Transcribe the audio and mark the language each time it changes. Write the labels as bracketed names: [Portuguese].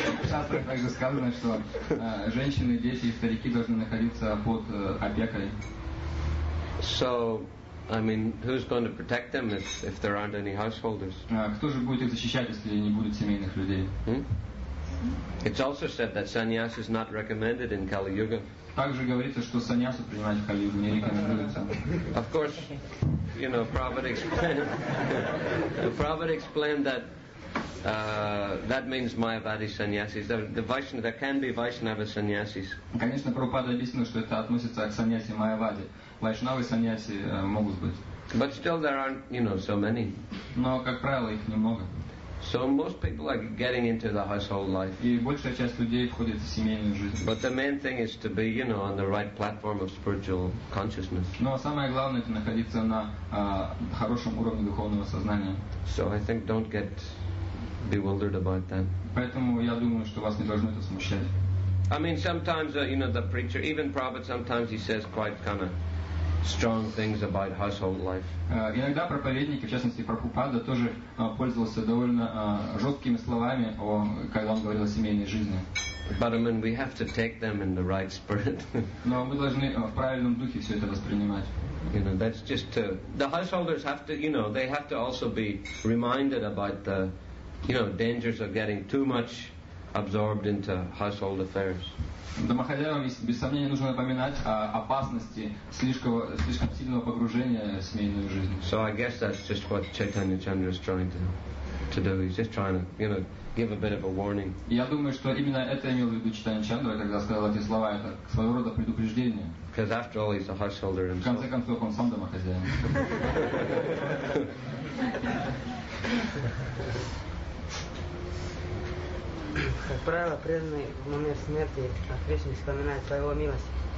[Russian] Также сказано, что женщины, дети и старики должны находиться под опекой. [English] So, I mean, who's going to protect them if there aren't any householders? [Russian] Кто же будет их защищать, если не будет семейных людей? [English] It's also said that sannyas is not recommended in Kali Yuga. [Russian] Также говорится, что саньясу принимать в Кали-Югу не рекомендуется. [English] Of course, you know, Prabhupada explained that that means Mayavadi sannyasis. There can be Vaishnava sannyasis. [Russian] Конечно, Прабхупада объяснил, что это относится к саньяси Майавади. Вайшнавы саньяси могут быть. [English] But still there aren't, you know, so many. [Russian] Но, как правило, их немного. [English] So most people are getting into the household life. [Russian] И большая часть людей входит в семейную жизнь. [English] But the main thing is to be, you know, on the right platform of spiritual consciousness. [Russian] Но самое главное это находиться на хорошем уровне духовного сознания. [English] So I think don't get bewildered about that. [Russian] Поэтому я думаю, что вас не должно это смущать. [English] I mean, sometimes you know, the preacher, even Prabhupada, sometimes he says quite kind of strong things about household life. [Russian] Иногда проповедники, в частности Прабхупада, тоже пользовался довольно жесткими словами, когда он говорил о семейной жизни. [English] But I mean, we have to take them in the right spirit. [Russian] Но мы должны в правильном духе все это воспринимать. [English] You know, that's just to, the householders have to, you know, they have to also be reminded about the, you know, dangers of getting too much absorbed into household affairs. [Russian] Домохозяевам, без сомнения, нужно напоминать о опасности слишком сильного погружения в семейную жизнь. [English] So I guess that's just what Chaitanya Chandra is trying to do. He's just trying to, you know, give a bit of a warning. [Russian] Я думаю, что именно это имел в виду Чайтанья Чандра, когда сказал эти слова. Это своего рода предупреждение. Because after all, he's a householder himself. В конце концов, он сам домохозяин. Как правило, преданный в момент смерти отвечно вспоминает своего милости.